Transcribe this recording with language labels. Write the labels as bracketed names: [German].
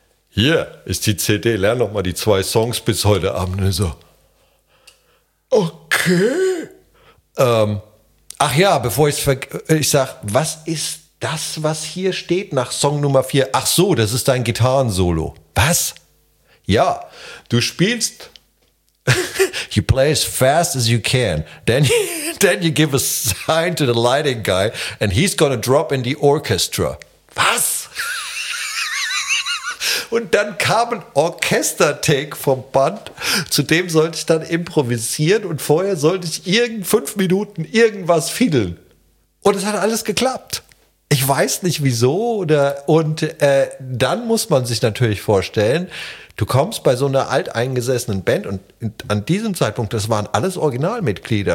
[German] Hier ist die CD. Lern noch mal die 2 Songs bis heute Abend. So. Okay. Ach ja, bevor ich es sage, was ist das, was hier steht nach Song Nummer 4? Ach so, das ist dein Gitarrensolo. Was? Ja, du spielst. [English] You play as fast as you can. Then you give a sign to the lighting guy and he's gonna drop in the orchestra. [German] Was? Und dann kam ein Orchester-Take vom Band. Zu dem sollte ich dann improvisieren und vorher sollte ich 5 Minuten irgendwas fiddeln. Und es hat alles geklappt. Ich weiß nicht wieso. Dann muss man sich natürlich vorstellen, du kommst bei so einer alteingesessenen Band und an diesem Zeitpunkt, das waren alles Originalmitglieder.